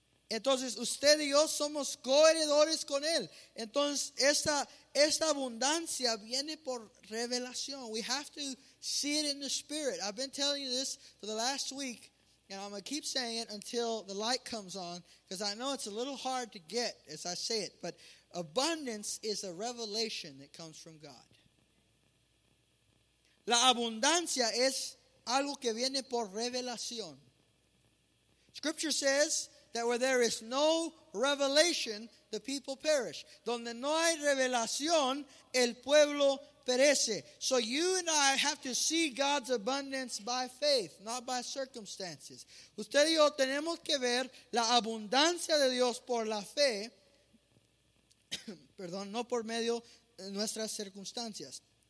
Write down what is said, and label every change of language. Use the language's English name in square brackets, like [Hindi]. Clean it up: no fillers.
[Spanish] Entonces, usted y yo somos coheredores con él. Entonces, esta abundancia viene por revelación. [English] We have to see it in the spirit. I've been telling you this for the last week, and I'm going to keep saying it until the light comes on, because I know it's a little hard to get as I say it, but abundance is a revelation that comes from God. [Spanish] La abundancia es algo que viene por revelación. [English] Scripture says that where there is no revelation, the people perish. [Spanish] Donde no hay revelación, el pueblo perece. [English] So you and I have to see God's abundance by faith, not by circumstances. [Spanish] Usted y yo tenemos que ver la abundancia de Dios por la fe, perdón, no por medio de nuestras circunstancias.